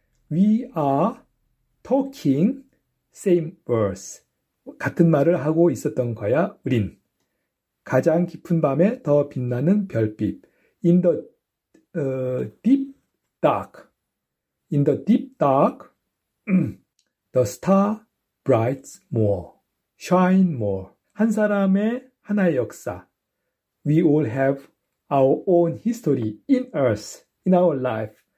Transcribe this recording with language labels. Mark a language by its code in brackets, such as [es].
[en] We are talking same words. [ko] 같은 말을 하고 있었던 거야, 우린. 가장 깊은 밤에 더 빛나는 별빛. [en] In the deep dark, in the deep dark, the star brights more, shine more. [ko] 한 사람의 하나의 역사, [en] we all have our own history in Earth, in our life.